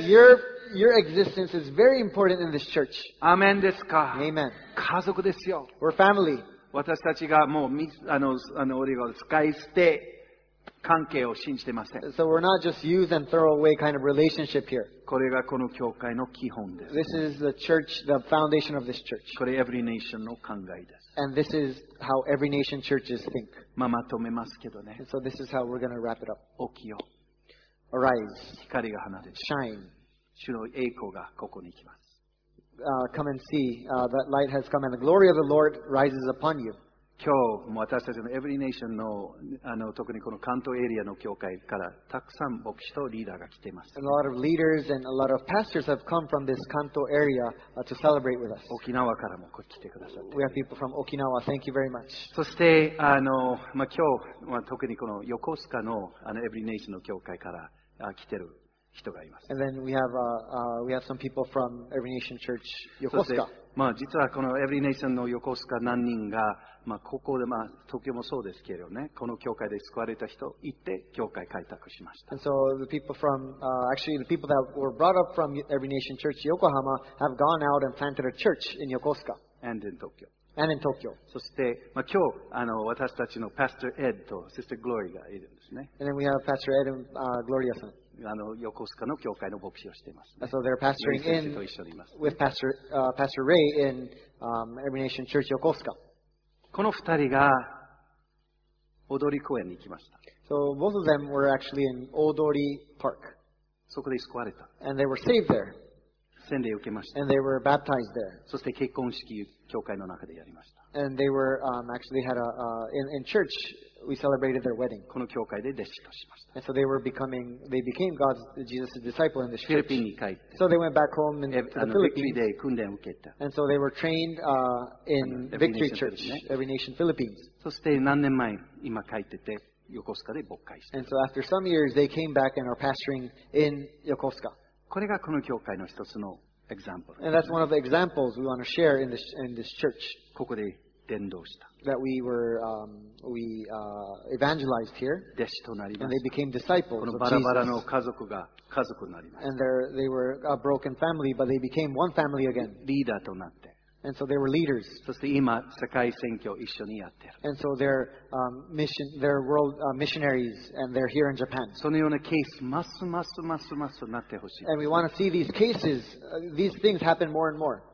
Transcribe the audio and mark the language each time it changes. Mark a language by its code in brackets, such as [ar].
[en] Your existence is very important in this church. [ja] Amen ですか? [en] Amen. [ja] 家族ですよ。 [en] We're family. [ja] 私たちがもう、俺が使い捨て関係を信じてません。 [en] So we're not just use and throw away kind of relationship here. [ja] これがこの教会の基本です。 [en] This is the church, the foundation of this church. [ja] これ every nation の考えです。 [en] And this is how every nation churches think. [ja] まあまとめますけどね。 [en] So this is how we're going to wrap it up. [ja] 起きよ。 [en] Arise. [ja] 光が放て。 [en] Shine. [ja] 主の栄光がここに来ます。 [en] Come and see, that light has come and the glory of the Lord rises upon you. [ja] 今日も私たちのEvery Nationの、特にこの関東エリアの教会からたくさん牧師とリーダーが来ています。 [en] A lot of leaders and a lot of pastors have come from this Kanto area, to celebrate with us. [ja] 沖縄からも来てくださって。 [en] We have people from Okinawa. Thank you very much. [ja] そして、まあ、今日は特にこの横須賀の、Every Nationの教会から、来てる。人がいます。 [en] And then we have some people from Every Nation Church Yokosuka。 [ja] まあ、実はこの Every Nation の横須賀何人が、まあ、ここで、まあ、東京もそうですけれどね、この教会で救われた人行って教会開拓しました。 [en] And so the people from, actually the people that were brought up from Every Nation Church Yokohama have gone out and planted a church in Yokosuka. And in Tokyo. And in Tokyo. [ja] そして、まあ、今日あの私たちの Pastor Ed と Sister Glory がいるんですね。 [en] And then we have Pastor Ed and Gloria さん。 [ja] あの横須賀の教会の牧師をしています、ね。 [en] So they're pastoring in with Pastor Ray in Every Nation Church Yokosuka。 [ja] この二人が踊り公園に行きました。 [en] So both of them were actually in Odori Park。 [ja] そこで救われた。 [en] And they were saved there. [ja] 洗礼を受けました。 [en] And they were baptized there. [ja] そして結婚式教会の中でやりました。 [en] And they were, actually had a, in church, we celebrated their wedding. [ja] この教会で弟子としました。 [en] And so they were becoming, they became God's, Jesus' disciple in this church. [ja] フィリピンに帰って。 [en] So they went back home in the Philippines. [ja] Victory Day 訓練を受けた。 [en] And so they were trained, in Victory Church, Every Nation Philippines. [ja] そして何年前今帰ってて、横須賀で牧会して。 [en] And so after some years, they came back and are pastoring in Yokosuka. [ja] これがこの教会の一つの example。 [en] And that's one of the examples we want to share in this church. [ja] ここで伝道した。 [en] That we were, we evangelized here. [ja] 弟子となりました。 [en] And they became disciples of Jesus. [ja] このバラバラの家族が家族になりました。 [en] And they were a broken family, but they became one family again. [ja] リーダーとなって。 [en] And so they were leaders. [ja] そして今、世界宣教一緒にやってる。 [en] And so they're, they're world, missionaries, and they're here in Japan. [ja] そのようなケース、ますますますますなってほしい。 [en] And we want to see these cases, these things happen more and more.